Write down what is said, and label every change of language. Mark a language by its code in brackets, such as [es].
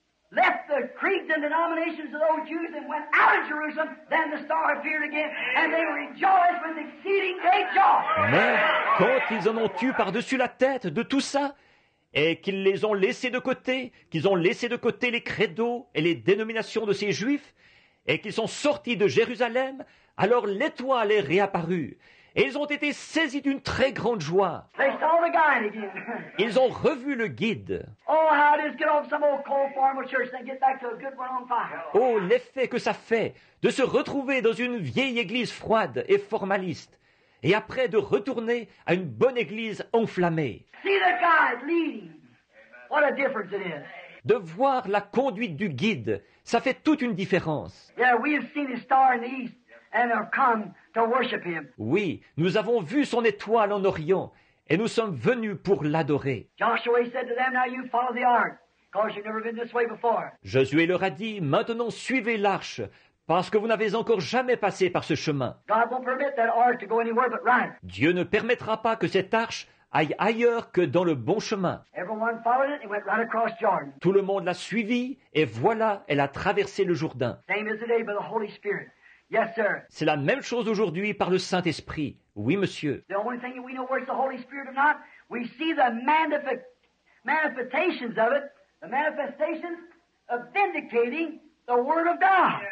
[en] Left the creeds and denominations of those Jews and went out of Jerusalem, then the star appeared again, and they rejoiced with exceeding great joy. [fr] Mais quand ils en ont eu par-dessus la tête de tout ça, et qu'ils les ont laissés de côté, qu'ils ont laissé de côté les credos et les dénominations de ces Juifs, et qu'ils sont sortis de Jérusalem, alors l'étoile est réapparue. Et ils ont été saisis d'une très grande joie. [en] They saw the guide again. [fr] Ils ont revu le guide. [en] Oh, how it is to get off some old cold formal church and get back to a good one on fire. [fr] Oh, l'effet que ça fait de se retrouver dans une vieille église froide et formaliste et après de retourner à une bonne église enflammée. [en] See the guide leading. What a difference it is. [fr] De voir la conduite du guide, ça fait toute une différence. [en] Yeah, we have seen his star in the east. And have come to worship him. [fr] Oui, nous avons vu son étoile en Orient et nous sommes venus pour l'adorer. [en] Joshua said to them, "Now you follow the ark, because you've never been this way before." [fr] Josué leur a dit, maintenant suivez l'arche, parce que vous n'avez encore jamais passé par ce chemin. [en] God won't permit that ark to go anywhere but right. [fr] Dieu ne permettra pas que cette arche aille ailleurs que dans le bon chemin. [en] Everyone followed it and went right across Jordan. [fr] Tout le monde l'a suivi et voilà, elle a traversé le Jourdain. [en] Same as today by the Holy Spirit. Yes, sir. [fr] C'est la même chose aujourd'hui par le Saint-Esprit. Oui, monsieur. [en] The only thing we know where it's the Holy Spirit or not, we see the manifestations of it, the manifestations of vindicating the Word of God.